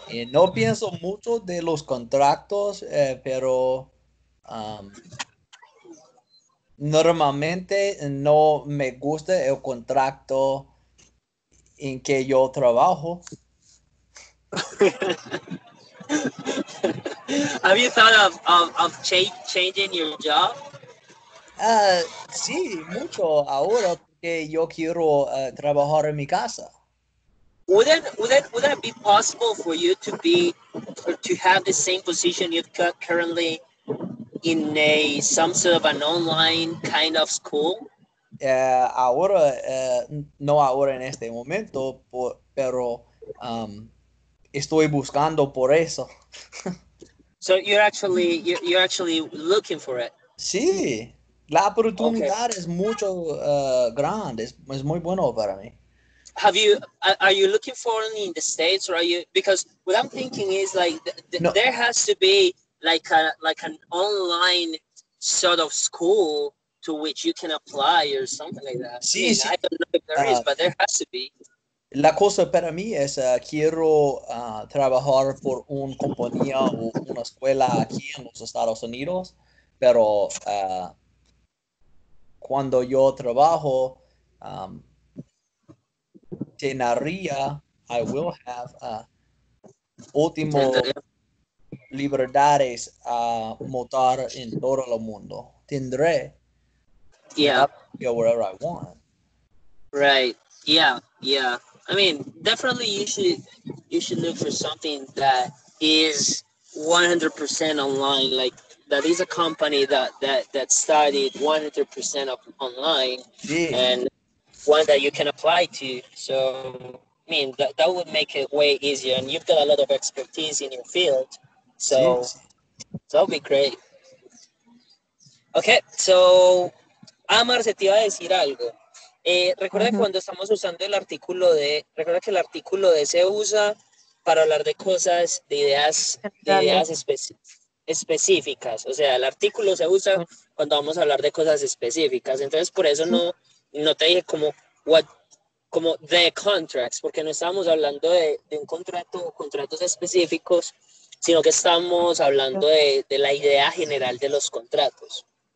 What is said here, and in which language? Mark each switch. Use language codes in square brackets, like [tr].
[es] No pienso mucho de los contratos, pero normalmente no me gusta el contrato en que yo trabajo. [en] ¿Have you thought of changing your job? [es] Sí, mucho ahora que yo quiero trabajar en mi casa. [en] Would it be possible for you to be or to have the same position you've got currently in a some sort of an online kind of school? [es] Ahora no ahora en este momento, pero estoy buscando por eso. [en] So you're actually looking for it. [es] Sí. La oportunidad es mucho grande, es muy bueno para mí. [en] Are you looking for it in the States or are you, because what I'm thinking is like there has to be like an online sort of school to which you can apply or something like that. [es] Sí, [en] I mean, [es] sí. [en] I don't know if there is, but there has to be. [es] La cosa para mí es quiero trabajar por una compañía o una escuela aquí en los Estados Unidos, pero cuando yo trabajo, tenería, [en] I will have [es] último libertades a montar en todo el mundo. Tendré. [en] Yeah. Go wherever I want. Right. Yeah. I mean, definitely you should look for something that is 100% online, like that is a company that started 100% of online, yeah. And one that you can apply to. So, I mean, that would make it way easier. And you've got a lot of expertise in your field. So, yes. That would be great. [es] Okay, so, Amar, se te iba a decir algo. Recuerda que cuando estamos usando el artículo de, recuerda que el artículo de se usa para hablar de cosas, de ideas específicas. Específicas, o sea, el artículo se usa cuando vamos a hablar de cosas específicas, entonces por eso no te dije como [en] the contracts, [es] porque no estábamos hablando de un contrato o contratos específicos, sino que estábamos hablando de la idea general de los contratos.